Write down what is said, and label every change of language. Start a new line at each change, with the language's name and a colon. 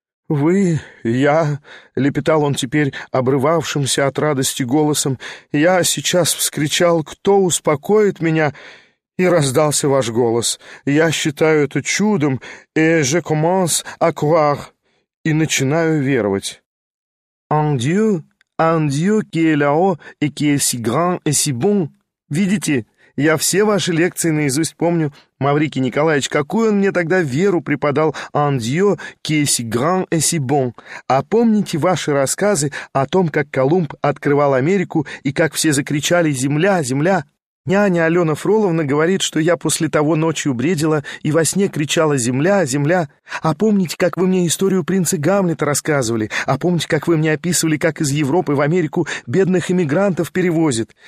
Russian: «Вы, я», — лепетал он теперь обрывавшимся от радости голосом, — «я сейчас вскричал, кто успокоит меня, и раздался ваш голос. Я считаю это чудом, и
French: je commence à croire,
Russian: и начинаю веровать».
French: «En Dieu, en Dieu qui est là-haut et qui est si grand et si bon.
Russian: Видите, я все ваши лекции наизусть помню. Маврикий Николаевич, какую он мне тогда веру преподал,
French: en Dieu qui est si grand et si bon.
Russian: А помните ваши рассказы о том, как Колумб открывал Америку и как все закричали: «Земля, земля!» Няня Алена Фроловна говорит, что я после того ночью бредила и во сне кричала «Земля, земля!» А помните, как вы мне историю принца Гамлета рассказывали? А помните, как вы мне описывали, как из Европы в Америку бедных эмигрантов перевозят?